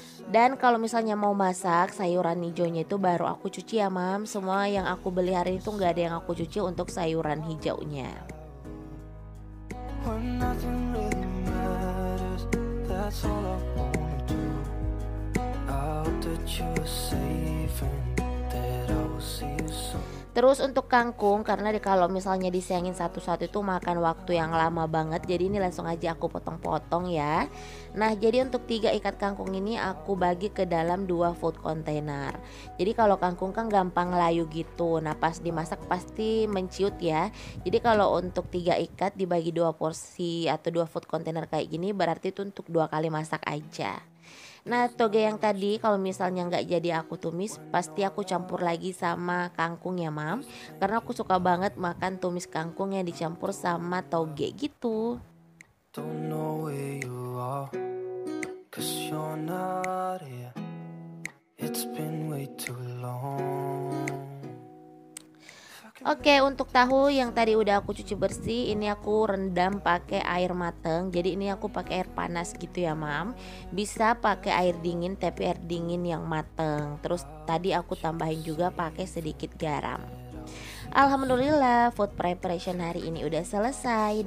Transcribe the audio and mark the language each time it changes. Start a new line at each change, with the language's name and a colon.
Indonesian: Dan kalau misalnya mau masak, sayuran hijaunya itu baru aku cuci ya Mam. Semua yang aku beli hari itu gak ada yang aku cuci untuk sayuran hijaunya.
English: When nothing really matters, that's all I wanna do. I hope that you're safe and that I will see you soon.
Indonesian: Terus untuk kangkung, karena kalau misalnya disiangin satu-satu itu makan waktu yang lama banget, jadi ini langsung aja aku potong-potong ya. Nah jadi untuk 3 ikat kangkung ini aku bagi ke dalam 2 food container. Jadi kalau kangkung kan gampang layu gitu, nah pas dimasak pasti menciut ya. Jadi kalau untuk 3 ikat dibagi 2 porsi atau 2 food container kayak gini, berarti itu untuk 2 kali masak aja. Nah toge yang tadi kalau misalnya gak jadi aku tumis, pasti aku campur lagi sama kangkung ya Mam. Karena aku suka banget makan tumis kangkung yang dicampur sama toge gitu.
English: Don't know where you are, cause you're not here. It's been way too long.
Indonesian: Oke, untuk tahu yang tadi udah aku cuci bersih, ini aku rendam pakai air mateng. Jadi ini aku pakai air panas gitu ya Mam. Bisa pakai air dingin, tapi air dingin yang mateng. Terus tadi aku tambahin juga pakai sedikit garam. Alhamdulillah, food preparation hari ini udah selesai.